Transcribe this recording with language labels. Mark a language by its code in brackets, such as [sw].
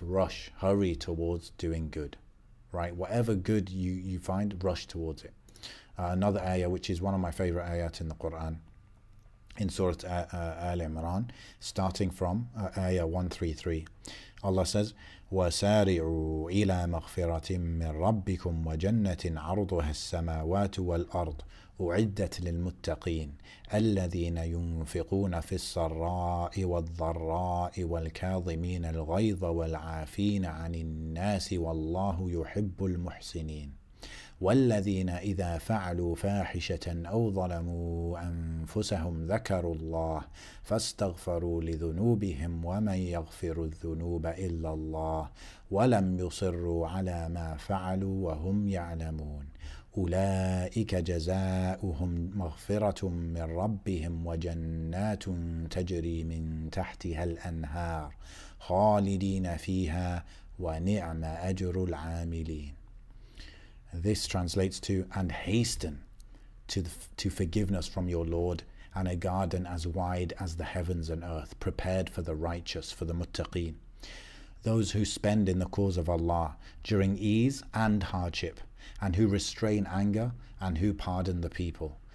[en] Rush, hurry towards doing good. Right? Whatever good you find, rush towards it. Another ayah, which is one of my favorite ayat in the Quran, in Surah Ali Imran, starting from ayah 133, Allah says, [ar] وَسَارِعُوا إِلَى مَغْفِرَةٍ مِّن رَبِّكُمْ وَجَنَّةٍ عَرْضُهَا السَّمَاوَاتُ وَالْأَرْضُ أُعِدَّتْ لِلْمُتَّقِينَ الَّذِينَ يُنْفِقُونَ فِي السَّرَّاءِ وَالضَّرَّاءِ وَالْكَاظِمِينَ الْغَيْظَ وَالْعَافِينَ عَنِ النَّاسِ وَاللَّهُ يُحِبُّ الْمُحْسِنِينَ وَالَّذِينَ إِذَا فَعَلُوا فَاحِشَةً أَوْ ظَلَمُوا أَنفُسَهُمْ ذَكَرُوا اللَّهَ فَاسْتَغْفَرُوا لِذُنُوبِهِمْ وَمَنْ يَغْفِرُ الذُّنُوبَ إِلَّا اللَّهُ وَلَمْ يُصِرُّوا عَلَى مَا فَعَلُوا وَهُمْ يَعْلَمُونَ أُولَئِكَ جَزَاؤُهُمْ مَغْفِرَةٌ مِنْ رَبِّهِمْ وَجَنَّاتٌ تَجْرِي مِنْ تَحْتِهَا الْأَنْهَارُ خَالِدِينَ فِيهَا وَنِعْمَ أَجْرُ الْعَامِلِينَ. [en] This translates to, and hasten to forgiveness from your Lord and a garden as wide as the heavens and earth, prepared for the righteous, for the muttaqeen, those who spend in the cause of Allah during ease and hardship, and who restrain anger, and who pardon the people.